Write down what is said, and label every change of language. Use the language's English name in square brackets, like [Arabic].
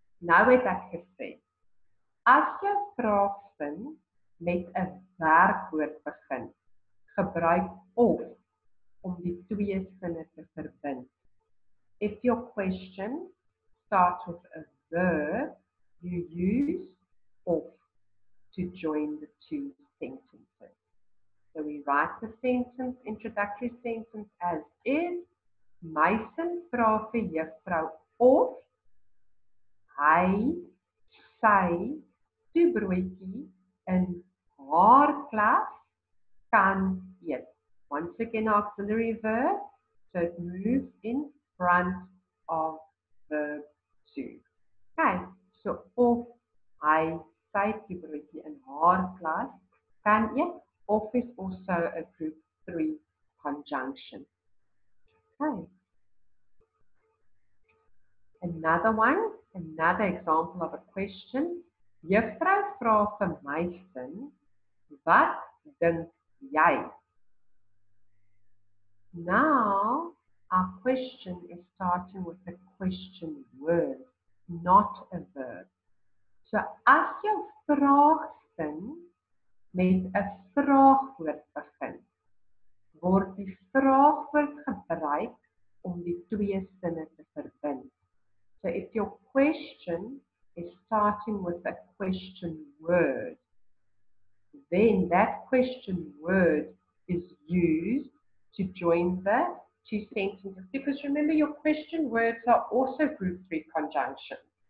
[Afrikaans] Nou het ek gesê, as jy vraag sin met 'n werkwoord begin, gebruik of om die twee sinne te verbind. [English] If your question starts with a verb, you use of to join the two sentences. So we write the sentence, introductory sentence as is. [Afrikaans] Meisen vra vir juffrou of hy sy toebroodjie in haar klas kan eet. [English] Once again, auxiliary verb, so it moves in front of verb 2. Okay, so [Afrikaans] of hy in haar klas kan eet, [English] of is also a group 3 conjunction. Okay. Another one, another example of a question. [Afrikaans] Juffrou vra vir meisin, wat dink jy? [English] Now, our question is starting with a question word, not a verb. [Afrikaans] So, as jou vraagsin met 'n vraagwoord begin, word die vraagwoord gebruik om die twee sinne te verbind. [English] So, if your question is starting with a question word, then that question word is used to join the two sentences. Because remember, your question words are also group 3 conjunctions.